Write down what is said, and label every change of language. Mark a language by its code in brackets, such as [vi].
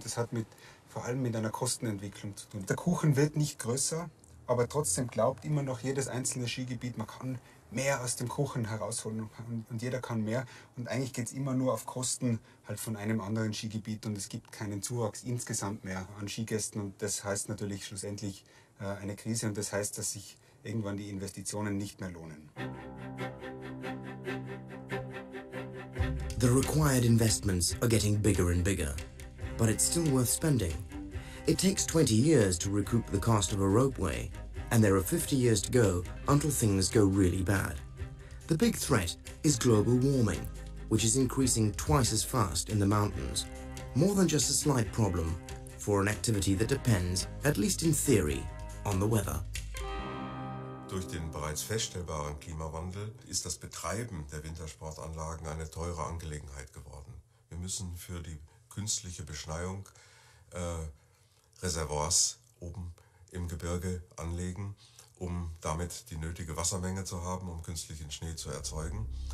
[de] Das hat vor allem mit einer Kostenentwicklung zu tun. Der Kuchen wird nicht größer, aber trotzdem glaubt immer noch jedes einzelne Skigebiet, man kann mehr aus dem Kuchen herausholen und jeder kann mehr. Und eigentlich geht es immer nur auf Kosten halt von einem anderen Skigebiet und es gibt keinen Zuwachs insgesamt mehr an Skigästen. Und das heißt natürlich schlussendlich eine Krise und das heißt, dass sich irgendwann die Investitionen nicht mehr lohnen. [en] The required investments are getting bigger and bigger, but it's still worth spending. It takes 20 years to recoup the cost of a ropeway. And there are 50 years to go until things go really bad. The big threat is global warming, which is increasing twice as fast in the mountains. More than just a slight problem for an activity that depends, at least in theory, on the weather. [de] Durch den bereits feststellbaren Klimawandel ist das Betreiben der Wintersportanlagen eine teure Angelegenheit geworden. Wir müssen für die künstliche Beschneiung Reservoirs oben im Gebirge anlegen, um damit die nötige Wassermenge zu haben, um künstlichen Schnee zu erzeugen.